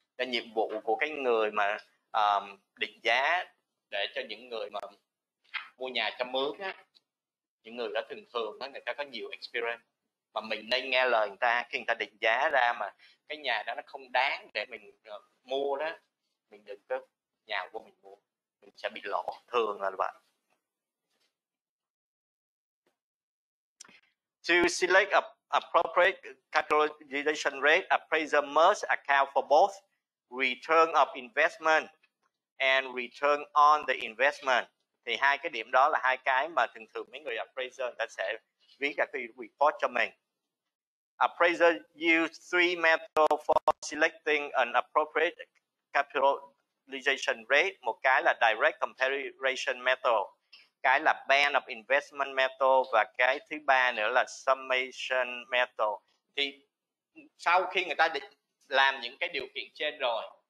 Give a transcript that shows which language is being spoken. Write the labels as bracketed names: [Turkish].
[Vietnamese] Cái nhiệm vụ của cái người mà định giá để cho những người mà mua nhà cho mướn á, những người đó thường thường đó, người ta có nhiều experience, mà mình nên nghe lời người ta. Khi người ta định giá ra mà cái nhà đó nó không đáng để mình mua đó, mình đừng có nhào vô mình mua, mình sẽ bị lỗ, thường là vậy. [English] To select a appropriate capitalization rate, appraiser must account for both return of investment and return on the investment. [Vietnamese] Thì hai cái điểm đó là hai cái mà thường thường mấy người appraiser người ta sẽ viết cả cái report cho mình. [English] Appraiser use three methods for selecting an appropriate capitalization rate. [Vietnamese] Một cái là direct comparison method, cái là band of investment method, và cái thứ ba nữa là summation method. Thì sau khi người ta làm những cái điều kiện trên rồi,